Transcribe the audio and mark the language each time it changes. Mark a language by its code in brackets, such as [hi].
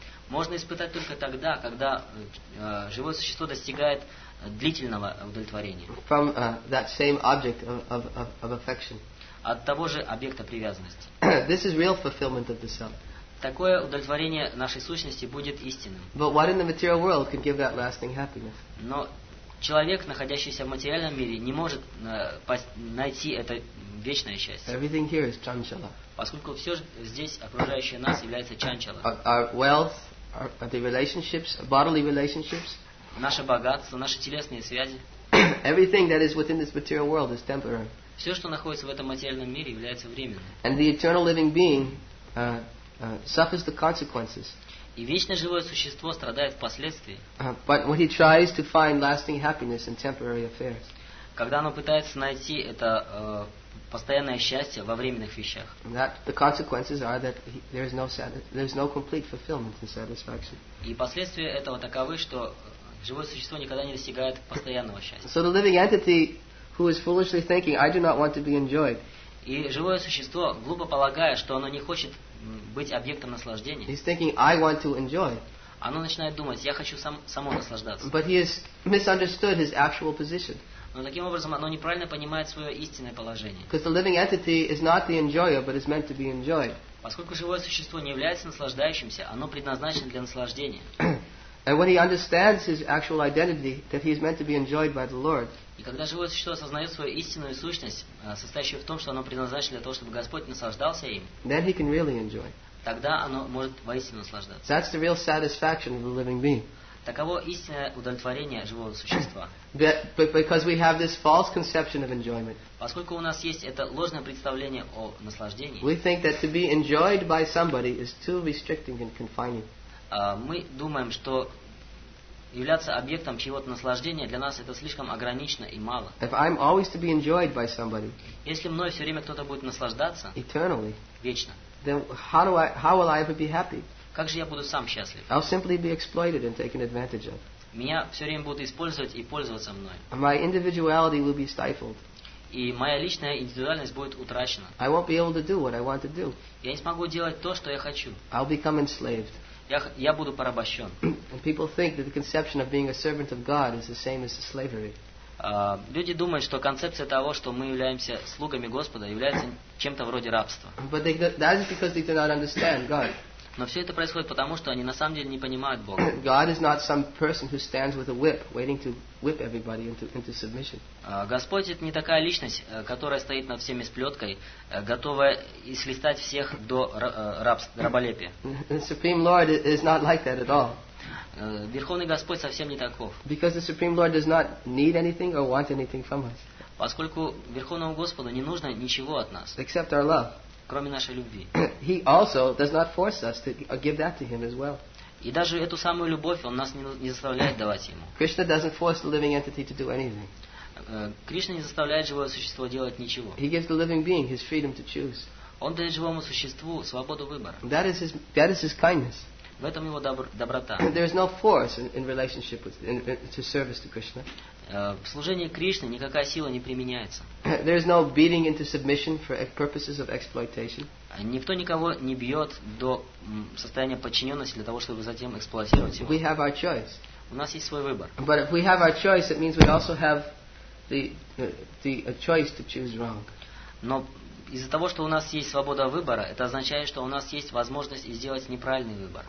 [ru] Можно испытать только тогда, когда живое существо достигает длительного удовлетворения. [en] From that same object of affection. [ru] От того же объекта привязанности. [en] This is real fulfillment of the self. [ru] Такое удовлетворение нашей сущности будет истинным. [en] But what in the material world can give that lasting happiness? [ru] Но человек, находящийся в материальном мире, не может найти это вечное счастье. [en] Everything here is chanchala. [ru] Поскольку все здесь окружающее нас является чанчала. [en] Our wealth, the relationships, bodily relationships. [ru] Наше богатство, наши телесные связи. [en] Everything that is within this material world is temporary. [ru] Все, что находится в этом материальном мире, является временным. [en] And the eternal living being suffers the consequences. [ru] И вечно живое существо страдает впоследствии. [en] But when he tries to find lasting happiness in temporary affairs. [ru] Когда оно пытается найти это постоянное счастье во временных вещах. [en] That the consequences are that there is no complete fulfillment and satisfaction. [ru] И последствия этого таковы, что живое существо никогда не достигает постоянного счастья. [en] So the living entity who is foolishly thinking, I do not want to be enjoyed. [ru] И живое существо глупо полагая, что оно не хочет быть объектом наслаждения. [en] He's thinking, I want to enjoy. [ru] Оно начинает думать, я хочу само наслаждаться. [en] But he has misunderstood his actual position. [ru] Но таким образом оно неправильно понимает свое истинное положение. [en] Because the living entity is not the enjoyer, but is meant to be enjoyed. [ru] Поскольку живое существо не является наслаждающимся, оно предназначено для наслаждения. [en] And when he understands his actual identity, that he is meant to be enjoyed by the Lord. [ru] И когда живое существо осознает свою истинную сущность, состоящую в том, что оно предназначено для того, чтобы Господь наслаждался им. [en] Then he can really enjoy. [ru] Тогда оно может воистину наслаждаться. [en] That's the real satisfaction of the living being. [ru] Таково истинное удовлетворение живого существа. [en] Because we have this false conception of enjoyment. [ru] Поскольку у нас есть это ложное представление о наслаждении. [en] We think that to be enjoyed by somebody is too restricting and confining. [ru] Мы думаем, что являться объектом чьего-то наслаждения для нас это слишком ограничено и мало. [en] If I'm always to be enjoyed by somebody, [ru] если мной все время кто-то будет наслаждаться, [en] eternally, [ru] вечно, [en] then how will I ever be happy? [ru] Как же я буду сам счастлив? [en] I'll simply be exploited and taken advantage of. [ru] Меня все время будут использовать и пользоваться мной. [en] And my individuality will be stifled. [ru] И моя личная индивидуальность будет утрачена. [en] I won't be able to do what I want to do. [ru] Я не смогу делать то, что я хочу. [en] I'll become enslaved. [ru] Я буду порабощен. [en] And people think that the conception of being a servant of God is the same as the slavery. [ru] Люди думают, что концепция того, что мы являемся слугами Господа, является чем-то вроде рабства. [en] But that is because they do not understand God. [ru] Но все это происходит потому, что они на самом деле не понимают Бога. [en] God is not some person who stands with a whip, waiting to whip everybody into submission. [ru] Господь это не такая личность, которая стоит над всеми с плеткой, готовая исхлестать всех до раболепия. [en] The Supreme Lord is not like that at all. [ru] Верховный Господь совсем не таков. [en] Because the Supreme Lord does not need anything or want anything from us. [ru] Поскольку Верховному Господу не нужно ничего от нас. [en] Except our love. [ru] Кроме нашей любви. [en] He also does not force us to give that to him as well. [ru] И даже эту самую любовь он нас не заставляет давать ему. [en] Krishna doesn't force the living entity to do anything. [ru] Кришна не заставляет живое существо делать ничего. [en] He gives the living being his freedom to choose. [ru] Он дает живому существу свободу выбора. [en] That is his kindness. [ru] В этом его доброта. [en] There is no force in relationship with to service to Krishna. [ru] В служении Кришне никакая сила не применяется. [en] There is no beating into submission for purposes of exploitation. [ru] Никто никого не бьет до состояния подчиненности для того, чтобы затем эксплуатировать его. [en] We have our choice. [ru] У нас есть свой выбор. [en] But if we have our choice, it means we also have the choice to choose wrong. [ru] Но из-за того, что у нас есть свобода выбора, это означает, что у нас есть возможность сделать неправильный выбор.